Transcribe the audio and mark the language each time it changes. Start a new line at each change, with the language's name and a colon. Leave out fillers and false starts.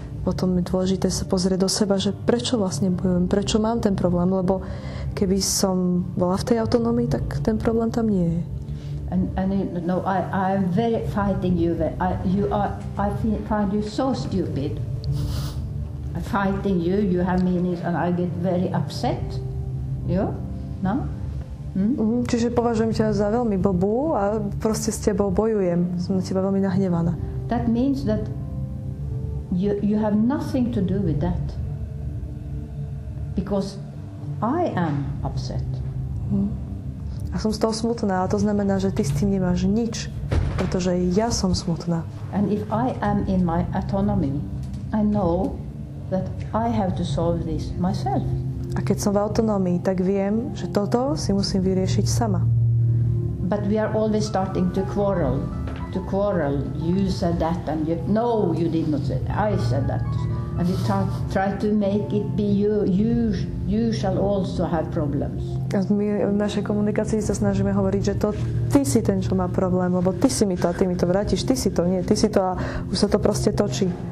Slovak: Potom je dôležité sa pozrieť do seba, že prečo vlastne bojujem, prečo mám ten problém, lebo keby som bola v tej autonómii, tak ten problém tam nie je.
English: And no, I'm very fighting you. I find you so stupid. I'm fighting you. You have meanings, and I get very upset. You? No? Mm-hmm.
Slovak: Čiže považujem ťa za veľmi blbú a proste s tebou bojujem. Som na teba veľmi nahnevaná.
English: That means that you have nothing to do with that. Because I am upset.
Slovak: Mm-hmm. A som z toho smutná, a to znamená, že ty s tým nemáš nič, pretože ja som smutná.
English: And if I am in my autonomy, I know that I have to solve this myself.
Slovak: A keď som v autonomii, tak viem, že toto si musím vyriešiť sama.
English: But we are always starting to quarrel. You said that and you... No, you did not say that. I said that. And we try to make it be you shall also have problems.
Slovak: A my v našej komunikácii sa snažíme hovoriť, že to ty si ten, čo má problém, lebo ty si mi to a ty mi to vrátiš, ty si to, nie, ty si to a už sa to proste točí.